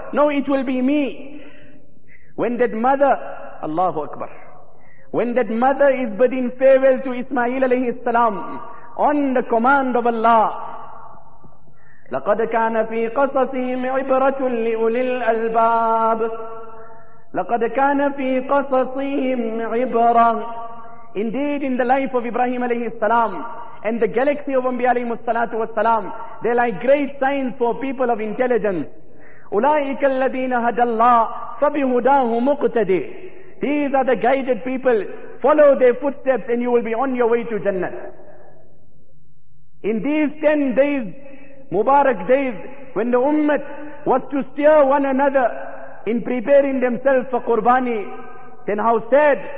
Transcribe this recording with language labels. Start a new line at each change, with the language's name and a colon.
English: No, it will be me. When that mother, Allahu Akbar, when that mother is bidding farewell to Ismail alayhi salam on the command of Allah,
Arabic: لقد كان في قصصهم عبرة
English: لأولي الألباب لقد كان في قصصهم عبرة. Indeed, in the life of Ibrahim alayhi salam and the galaxy of Anbiya alayhi salatu wassalam, they are like great signs for people of intelligence.
Arabic: أولئك الذين هدى الله فبهداه مقتدي.
English: These are the guided people. Follow their footsteps and you will be on your way to Jannah. In these 10 days, Mubarak days, when the ummah was to steer one another in preparing themselves for qurbani, then how sad